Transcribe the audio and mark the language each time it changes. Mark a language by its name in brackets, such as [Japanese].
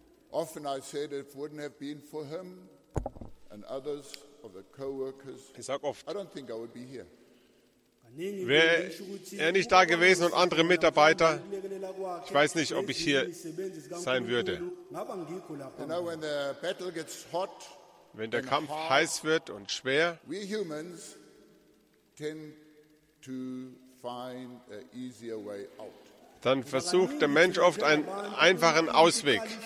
[English] Often I said if it wouldn't have been for him and others of the co-workers, I don't think I would be here. [German] Wäre er nicht da gewesen und andere Mitarbeiter, ich weiß nicht, ob ich hier sein würde. [English] You know, when the battle gets hot, [German] wenn der Kampf heiß wird und schwer, [English] we humans tend to find an easier way out. [German] Dann versucht der Mensch oft einen einfachen Ausweg.